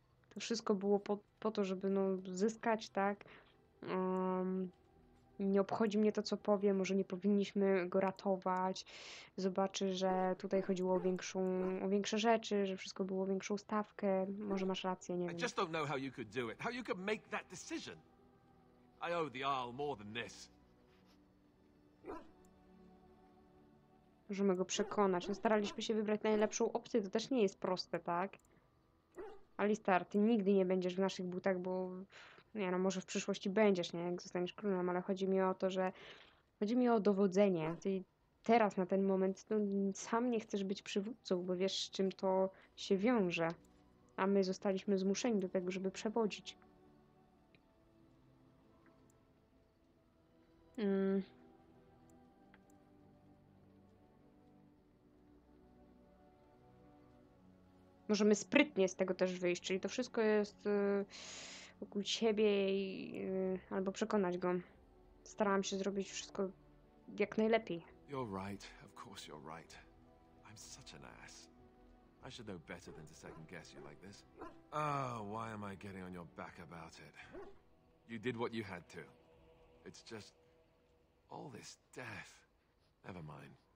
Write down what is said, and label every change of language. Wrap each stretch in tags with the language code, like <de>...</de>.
<pl>To wszystko było po to, żeby no, zyskać, tak? Nie obchodzi mnie to, co powie, może nie powinniśmy go ratować. Zobaczy, że tutaj chodziło o większe rzeczy, że wszystko było o większą stawkę. Może masz rację, nie wiem.</pl> <en>I just don't know how you could do it, how you could make that decision. I owe the Earl more than this.</en> <pl>Możemy go przekonać. No staraliśmy się wybrać najlepszą opcję, to też nie jest proste, tak? Alistar, ty nigdy nie będziesz w naszych butach, bo... Nie no, może w przyszłości będziesz, nie? Jak zostaniesz królem, ale chodzi mi o to, że... Chodzi mi o dowodzenie. Ty teraz, na ten moment, no, sam nie chcesz być przywódcą, bo wiesz, z czym to się wiąże. A my zostaliśmy zmuszeni do tego, żeby przewodzić. Możemy sprytnie z tego też wyjść, czyli to wszystko jest wokół ciebie i, albo przekonać go. Starałam się zrobić wszystko jak najlepiej.</pl> <en>You're right, of course you're right. I'm such an ass. I should know better than to second guess you like this. Oh, why am I getting on your back about it? You did what you had to. It's just all this death. Never mind.</en>